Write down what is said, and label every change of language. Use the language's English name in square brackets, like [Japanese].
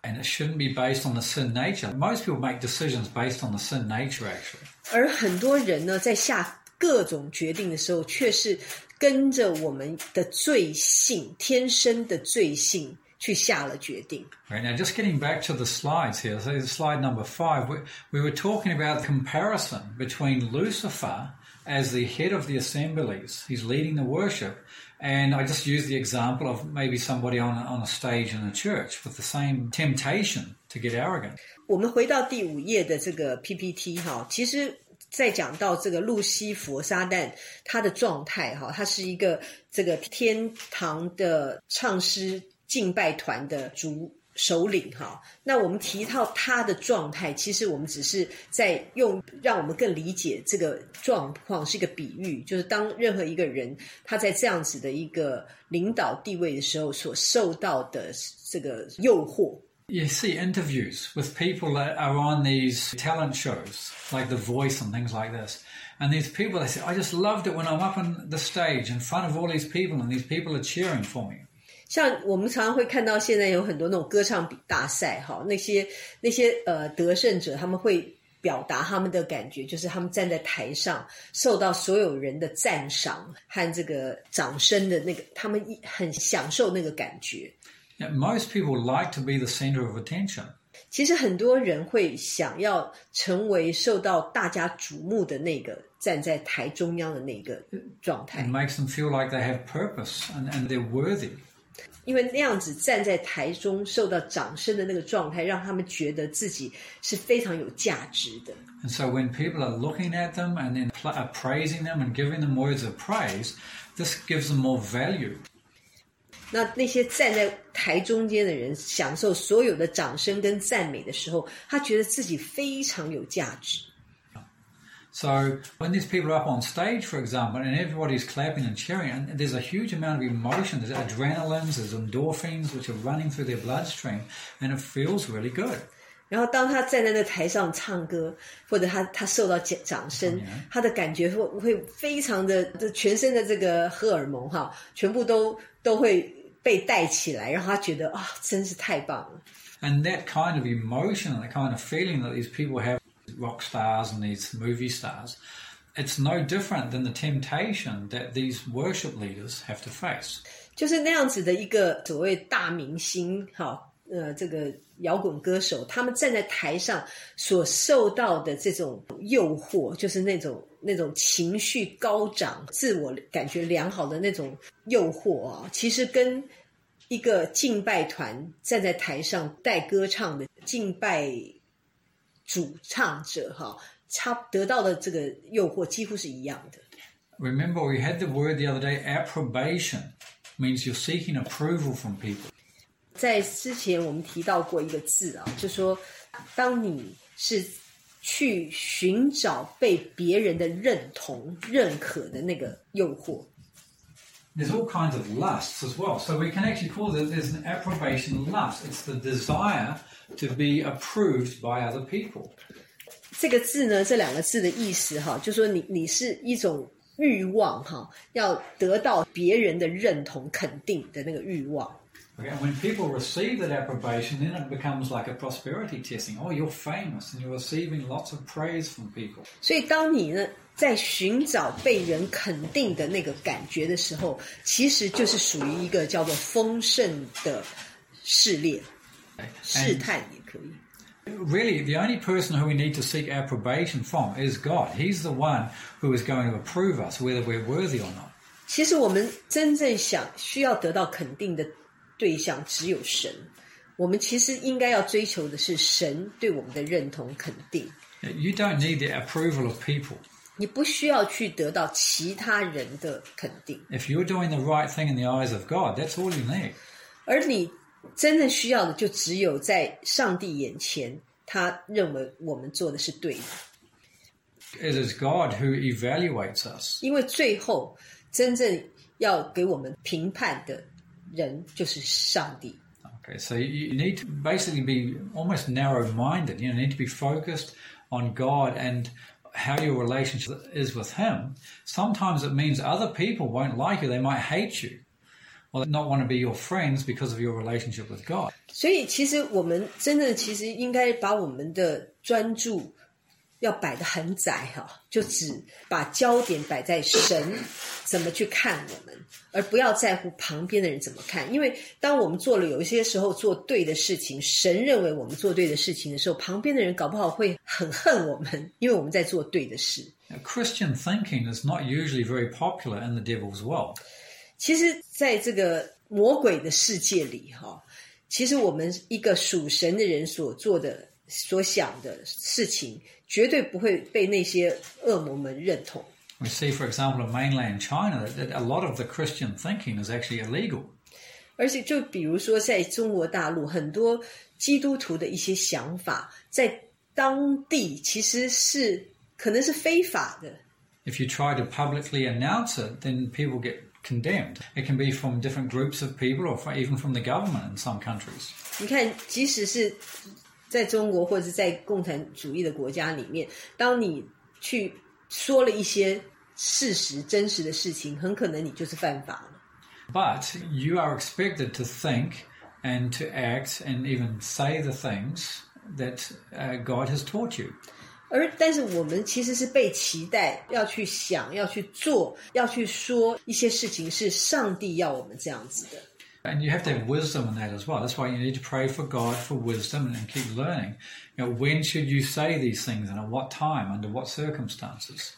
[English] And it shouldn't be based on the sin nature. Most people make decisions based on the sin nature, actually. [Chinese] 而很多人呢，在下各种决定的时候，却是跟着我们的罪性，天生的罪性去下了决定。 [English] Right, now, just getting back to the slides here, so slide number 5, we were talking about the comparison between Lucifer as the head of the assemblies, he's leading the worship, and I just use the example of maybe somebody on a stage in a church with the same temptation to get arrogant. [Chinese] 我们回到第五页的这个 PPT 哈，其实在讲到这个路西佛撒旦他的状态哈，他是一个这个天堂的唱诗敬拜团的主首领哈，那我们提到他的状态，其实我们只是在用让我们更理解这个状况是一个比喻，就是当任何一个人他在这样子的一个领导地位的时候所受到的这个诱惑。 [English] You see interviews with people that are on these talent shows, like The Voice and things like this. And these people, they say, I just loved it when I'm up on the stage in front of all these people and these people are cheering for me. [Chinese] 像我们常常会看到现在有很多那种歌唱比大赛哈，那些得胜者他们会表达他们的感觉，就是他们站在台上受到所有人的赞赏和这个掌声的那个，他们很享受那个感觉。 [English] Yeah, most people like to be the center of attention. [Chinese] 其实很多人会想要成为受到大家瞩目的那个。站在台中央的那个状态。 [English] It makes them feel like they have purpose and they're worthy. [Chinese] 因为那样子站在台中受到掌声的那个状态，让他们觉得自己是非常有价值的。 [English] And so when people are looking at them and then praising them and giving them words of praise, this gives them more value. [Chinese] 那些站在台中间的人享受所有的掌声跟赞美的时候，他觉得自己非常有价值。 [English] So when these people are up on stage, for example, and everybody's clapping and cheering, and there's a huge amount of emotion, there's adrenalines, there's endorphins, which are running through their bloodstream, and it feels really good. [Chinese] 然后当他站在那台上唱歌，或者他受到掌声，他的感觉会非常的，全身的这个荷尔蒙哈，全部都会被带起来，让他觉得啊，真是太棒了。 [English] And that kind of emotion, that kind of feeling that these people have.Rock stars and these movie stars, it's no different than the temptation that these worship leaders have to face. [Chinese] 就是那样子的一个所谓大明星，好，这个摇滚歌手，他们站在台上所受到的这种诱惑，就是那种情绪高涨、自我感觉良好的那种诱惑啊，其实跟一个敬拜团站在台上带歌唱的敬拜主唱者哈，得到的这个诱惑几乎是一样的。 [English] Remember, we had the word the other day, approbation means you're seeking approval from people. [Chinese] 在之前我们提到过一个字啊，就说当你是去寻找被别人的认同、认可的那个诱惑。 [English] There's all kinds of lusts as well. So we can actually call this, there's an approbation lust. It's the desire to be approved by other people. [Chinese] 这个字呢，这两个字的意思哈，就说你是一种欲望哈，要得到别人的认同、肯定的那个欲望。 [English] Okay, when people receive that approbation, then it becomes like a prosperity testing. Oh, you're famous and you're receiving lots of praise from people. [Chinese] 所以当你呢在寻找被人肯定的那个感觉的时候，其实就是属于一个叫做丰盛的试炼、试探也可以。 [English] Really, the only person who we need to seek approbation from is God. He's the one who is going to approve us, whether we're worthy or not. [Chinese] 其实我们真正想需要得到肯定的对象只有神。我们其实应该要追求的是神对我们的认同肯定。 [English] You don't need the approval of people. [Chinese] 你不需要去得到其他人的肯定。 [English] If you're doing the right thing in the eyes of God, that's all you need. [Chinese] 而你真正需要的就只有在上帝眼前，他认为我们做的是对的。 [English] It is God who evaluates us. [Chinese] 因为最后真正要给我们评判的人就是上帝。 [English] Okay, so you need to basically be almost narrow-minded. You need to be focused on God and... how your relationship is with him, sometimes it means other people won't like you, they might hate you, or not want to be your friends because of your relationship with God. [Chinese] 所以其实我们真的其实应该把我们的专注要摆得很窄，就只把焦点摆在神怎么去看我们，而不要在乎旁边的人怎么看。因为当我们做了有一些时候做对的事情，神认为我们做对的事情的时候，旁边的人搞不好会很恨我们，因为我们在做对的事。 [English] Christian thinking is not usually very popular in the devil's world. [Chinese] 其实在这个魔鬼的世界里，其实我们一个属神的人所做的所想的事情绝对不会被那些恶魔们认同。 [English] We see, for example, in mainland China, that a lot of the Christian thinking is actually illegal. [Chinese] 而且就比如说在中国大陆，很多基督徒的一些想法在当地其实是可能是非法的。 [English] If you try to publicly announce it, then people get condemned. It can be from different groups of people or even from the government in some countries. [Chinese] 你看，即使是在中国或者在共产主义的国家里面，当你去说了一些事实、真实的事情，很可能你就是犯法了。 [English] But you are expected to think and to act and even say the things that God has taught you. [Chinese] 而但是我们其实是被期待要去想、要去做、要去说一些事情是上帝要我们这样子的。 [English] And you have to have wisdom in that as well. That's why you need to pray for God for wisdom and keep learning. You know, when should you say these things and at what time, under what circumstances?